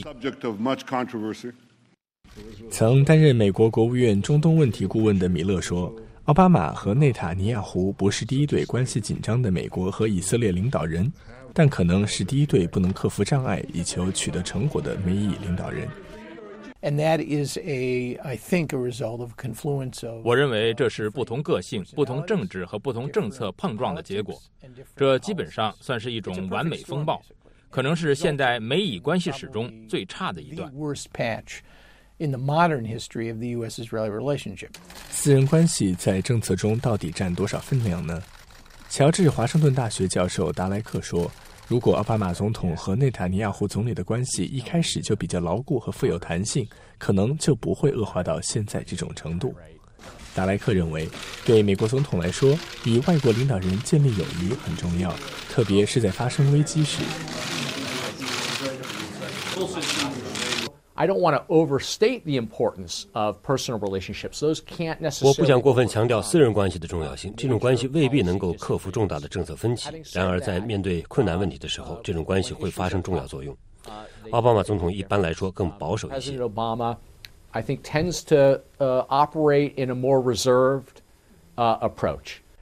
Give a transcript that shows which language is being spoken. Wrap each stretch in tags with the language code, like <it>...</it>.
<en>Subject of much controversy.</en> <zh>曾担任美国国务院中东问题顾问的米勒说，奥巴马和内塔尼亚胡不是第一对关系紧张的美国和以色列领导人，但可能是第一对不能克服障碍以求取得成果的美以领导人。</zh> <en>And that is a, I think, a result of confluence of.</en> <zh>我认为这是不同个性、不同政治和不同政策碰撞的结果。这基本上算是一种完美风暴，可能是现代美以关系史中最差的一段。</zh> <en>Worst patch in the modern history of the U.S.-Israeli relationship.</en> <zh>私人关系在政策中到底占多少分量呢？乔治华盛顿大学教授达莱克说。如果奥巴马总统和内塔尼亚胡总理的关系一开始就比较牢固和富有弹性，可能就不会恶化到现在这种程度。达莱克认为，对美国总统来说，与外国领导人建立友谊很重要，特别是在发生危机时。</zh> <en>I don't want to overstate the importance of personal relationships. Those can't necessarily.</en> <zh>我不想过分强调私人关系的重要性。这种关系未必能够克服重大的政策分歧。然而，在面对困难问题的时候，这种关系会发生重要作用。奥巴马总统一般来说更保守一些。</zh> <en>President Obama, I think, tends to operate in a more reserved approach.</en>